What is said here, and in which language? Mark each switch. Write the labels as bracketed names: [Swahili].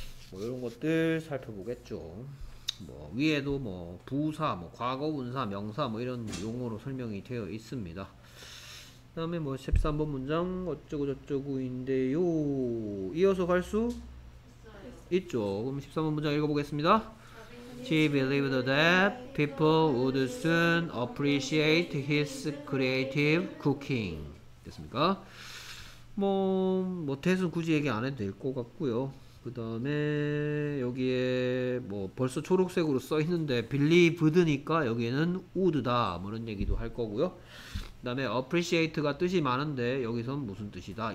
[Korean] 뭐 이런 것들 살펴보겠죠. 뭐 위에도 뭐 부사, 뭐 과거 분사, 명사 뭐 이런 용어로 설명이 되어 있습니다. 다음에 뭐 13번 문장 어쩌고 저쩌고인데요. 이어서 갈 수 있죠. 그럼 13번 문장 읽어보겠습니다. [English] He believed that people would soon appreciate his creative cooking. [Korean] 됐습니까? 뭐 대수는 굳이 얘기 안 해도 될 것 같고요. 그 다음에 여기에 뭐 벌써 초록색으로 써 있는데 believed니까 여기에는 would다 이런 얘기도 할 거고요. 그 다음에 appreciate가 뜻이 많은데 여기선 무슨 뜻이다?